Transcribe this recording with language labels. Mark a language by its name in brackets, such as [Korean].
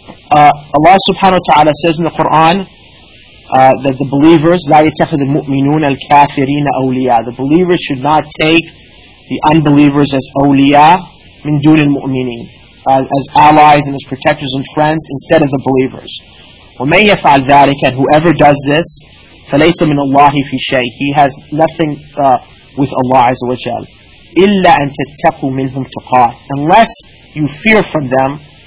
[English] Allah subhanahu wa ta'ala says in the Quran that the believers, [Arabic] لا يتخذ المؤمنون الكافرين أولياء, [English] the believers should not take the unbelievers as [Arabic] أولياء من دون المؤمنين, [English] as allies and as protectors and friends instead of the believers. [Arabic] ومن يفعل ذلك, [English] and whoever does this, [Arabic] فليس من الله في شيء, [English] he has nothing with Allah [Arabic] عز وجل. إلا أن تتقوا منهم تقاة, [English] unless you fear from them.